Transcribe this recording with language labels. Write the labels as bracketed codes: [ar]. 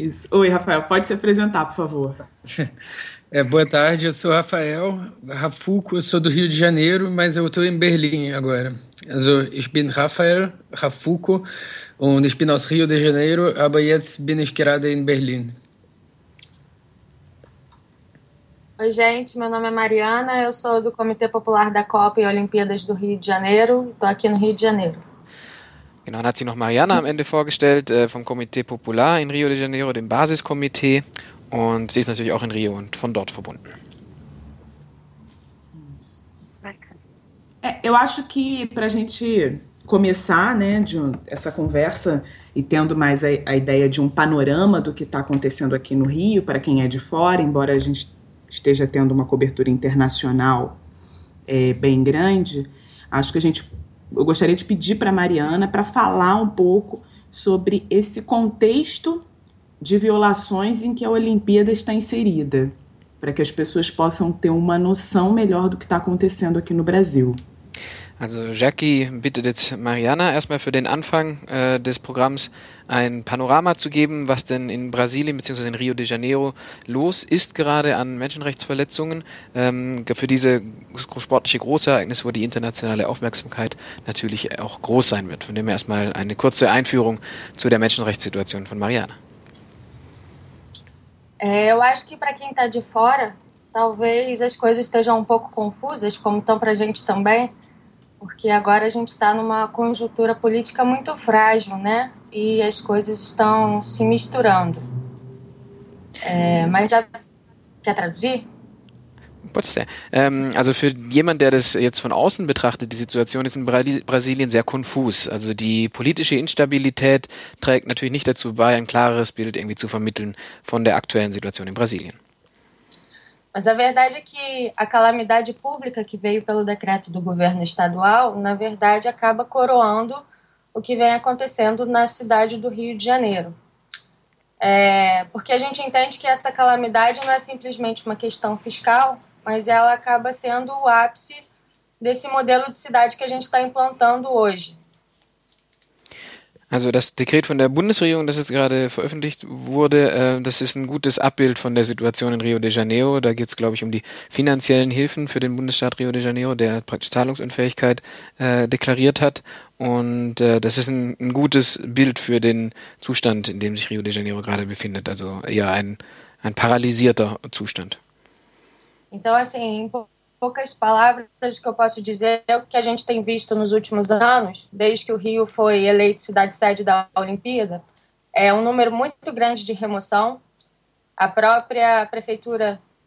[pt] Oi, Rafael, pode se apresentar, por favor. Boa tarde, eu sou Rafael Rafuko, eu sou do Rio de Janeiro, mas eu estou em Berlim agora. [de] Also, ich bin Rafael Rafuko und ich bin aus Rio de Janeiro, aber jetzt bin ich gerade in Berlin. [pt] Oi, gente, meu nome é Mariana, eu sou do Comitê Popular da Copa e Olimpíadas do Rio de Janeiro, estou aqui no Rio de Janeiro. [de] Genau, dann hat sich noch Mariana am Ende vorgestellt vom Comitê Popular in Rio de Janeiro, dem Basiskomitee, und sie ist natürlich auch in Rio und von dort verbunden. [pt] Eu acho que para a gente começar, né, essa conversa e tendo mais a ideia de panorama do que está acontecendo aqui no Rio, para quem é de fora, embora a gente esteja tendo uma cobertura internacional bem grande, acho que eu gostaria de pedir para a Mariana para falar um pouco sobre esse contexto de violações em que a Olimpíada está inserida, para que as pessoas possam ter uma noção melhor do que está acontecendo aqui no Brasil. [de] Also Jackie bittet jetzt Mariana erstmal für den Anfang des Programms ein Panorama zu geben, was denn in Brasilien bzw. in Rio de Janeiro los ist gerade an Menschenrechtsverletzungen für dieses sportliche Großereignis, wo die internationale Aufmerksamkeit natürlich auch groß sein wird. Von dem her erstmal eine kurze Einführung zu der Menschenrechtssituation von Mariana. [pt] Eu acho que para quem está de fora, talvez as coisas estejam pouco confusas, como estão para a gente também. porque agora a gente está numa conjuntura política muito frágil, né? E as coisas estão se misturando. Quer traduzir? Pode ser. [de] Also für jemand, der das jetzt von außen betrachtet, die Situation ist in Brasilien sehr konfus. Also die politische Instabilität trägt natürlich nicht dazu bei, ein klareres Bild irgendwie zu vermitteln von der aktuellen Situation in Brasilien. [pt] Mas a verdade é que a calamidade pública que veio pelo decreto do governo estadual, na verdade, acaba coroando o que vem acontecendo na cidade do Rio de Janeiro. Porque a gente entende que essa calamidade não é simplesmente uma questão fiscal, mas ela acaba sendo o ápice desse modelo de cidade que a gente está implantando hoje. [de] Also das Dekret von der Bundesregierung, das jetzt gerade veröffentlicht wurde, das ist ein gutes Abbild von der Situation in Rio de Janeiro. Da geht es, glaube ich, um die finanziellen Hilfen für den Bundesstaat Rio de Janeiro, der praktisch Zahlungsunfähigkeit deklariert hat. Und das ist ein gutes Bild für den Zustand, in dem sich Rio de Janeiro gerade befindet. Also eher ein paralysierter Zustand. [pt] Então, assim, em poucas palavras, o que eu posso dizer é o que a gente tem visto nos últimos anos, desde que o Rio foi eleito cidade-sede da Olimpíada, é um número muito grande de remoção. A própria prefeitura...